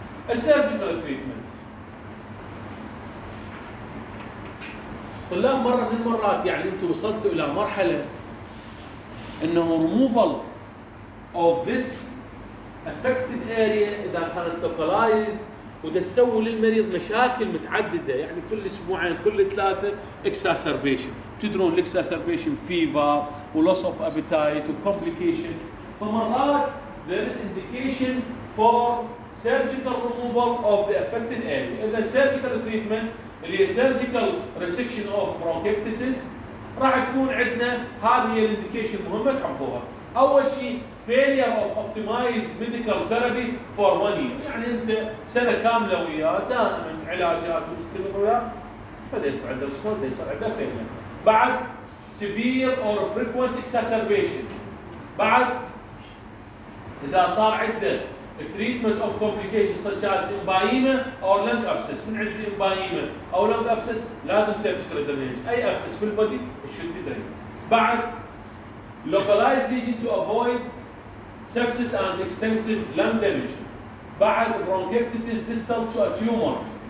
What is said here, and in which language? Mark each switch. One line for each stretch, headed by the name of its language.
Arabic: السيرجيكال تريتمنت طلاب مرة من المرات يعني انتوا وصلتوا الى مرحلة انه
English: removal of this affected area
Arabic: اذا كانت localized ودسووا للمريض مشاكل متعددة، يعني كل اسبوعين كل ثلاثة exacerbation، تدرون exacerbation fever و loss of appetite و complication.
English: فمرات there is indication for surgical removal of the affected area.
Arabic: اذا surgical treatment اللي هي
English: surgical resection of bronchiectasis
Arabic: راح تكون عندنا هذه هي الانديكيشن مهمة تحفظوها. اول شيء
English: failure of optimized medical therapy for one year،
Arabic: يعني انت سنة كاملة وياه دائما علاجات ومستمر وياه فده يصير عنده response ده يصير عنده failure.
English: بعد severe or frequent exacerbation.
Arabic: بعد اذا صار عنده
English: treatment of complications such as embyema or lung abscess. من عند embyema أو lung abscess لازم surgical drainage. أي abscess
Arabic: في البدي
English: should be drained. بعد localized lesion to avoid sepsis and extensive lung damage. بعد bronchiectasis distal to a tumors.